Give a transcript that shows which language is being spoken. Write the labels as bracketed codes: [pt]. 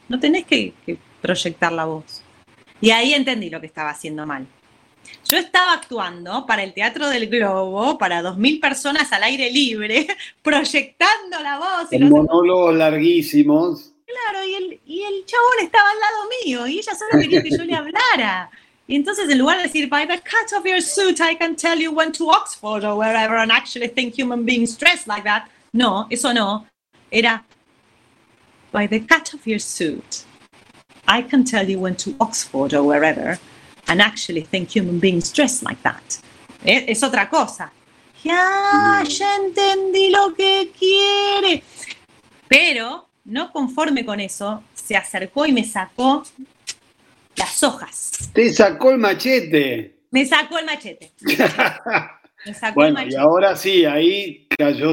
[es] No tenés que proyectar la voz. Y ahí entendí lo que estaba haciendo mal. Yo estaba actuando para el Teatro del Globo, para 2.000 personas al aire libre, proyectando la voz y Con los demás. monólogos larguísimos. Claro, y el chabón estaba al lado mío y ella solo quería que yo le hablara. Y entonces, en lugar de decir, [en] by the cut of your suit, I can tell you went to Oxford or wherever and actually think human beings dress like that, [es] no, eso no. Era, [en] by the cut of your suit, I can tell you went to Oxford or wherever and actually think human beings dress like that. [es] Es otra cosa. Ya, ya entendí lo que quiere. Pero, no conforme con eso, se acercó y me sacó las hojas. Te sacó el machete. Me sacó el machete. Me sacó bueno, el machete. Y ahora sí, ahí cayó